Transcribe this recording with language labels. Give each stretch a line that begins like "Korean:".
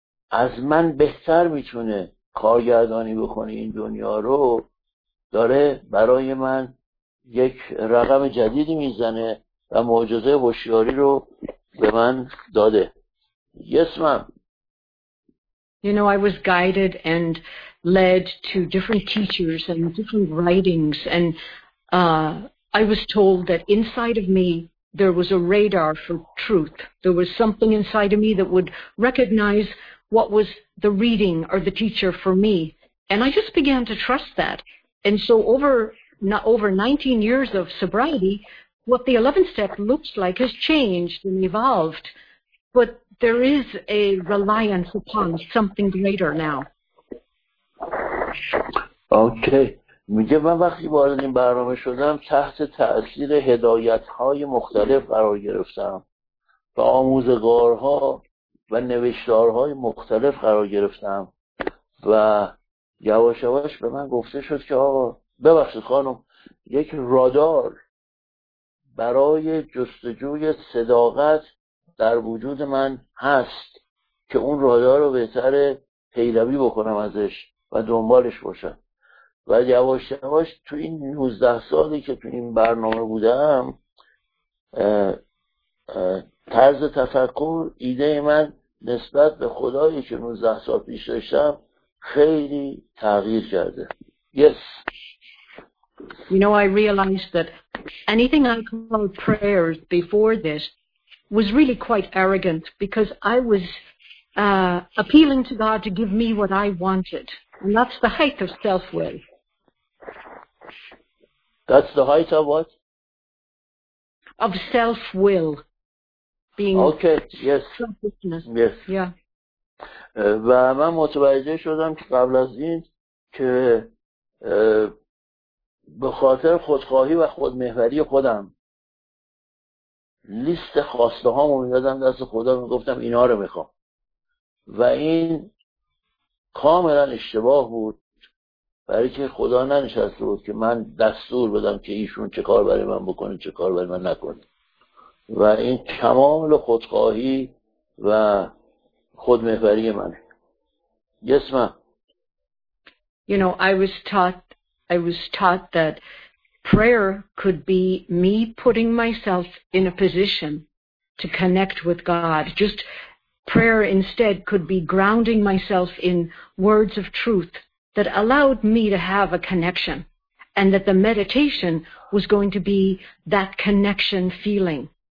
Persian: از من بهتر میتونه کارگردانی بکنه این دنیا رو، داره برای من یک رقم جدیدی میزنه و معجزه هوشیاری رو به من داده.
English: Yes, ma'am. You know, I was guided and led to different teachers and different writings, and I was told that inside of me there was a radar for truth. There was something inside of me that would recognize what was the reading or the teacher for me. And I just began to trust that. And so over 19 years of sobriety, what the 11th step looks like has changed and evolved. But there is a reliance upon something greater now. Okay.
Persian: میگه من وقتی وارد این برنامه شدم تحت تأثیر هدایت‌های مختلف قرار گرفتم و آموزگارها و نوشتارهای مختلف قرار گرفتم و یواش یواش به من گفته شد که آقا ببخشید خانم، یک رادار برای جستجوی صداقت در وجود من هست که اون رادار رو بهتر پیروی بکنم ازش و دنبالش باشم. و یواش یواش تو این 19 سالی که تو این برنامه بودم، طرز تفکر ایده من نسبت به خدایی که 19 سال پیش داشتم خیلی تغییر کرده.
English: Yes. You know, I realized that anything I called prayers before this was really quite arrogant, because I was appealing to God to give me what I wanted. And that's the height of self-will. That's the height of what? Of self-will. Being okay, yes. Selfishness. Yes.
Persian: و من متوجه شدم که قبل از این که به خاطر خودخواهی و خودمحوری خودم لیست خواسته ها رو میدادم دست خدا، میگفتم اینا رو میخوام و این کاملا اشتباه بود، برای که خدا ننشسته بود که من دستور بدم که ایشون چه کار برای من بکنه چه کار برای من نکنه، و این کمال خودخواهی و خودمحوری منه.
English: Yes, ma'am. You know, I was taught that prayer could be me putting myself in a position to connect with God. Just prayer instead could be grounding myself in words of truth that allowed me to have a connection, and that the meditation was going to be that connection feeling.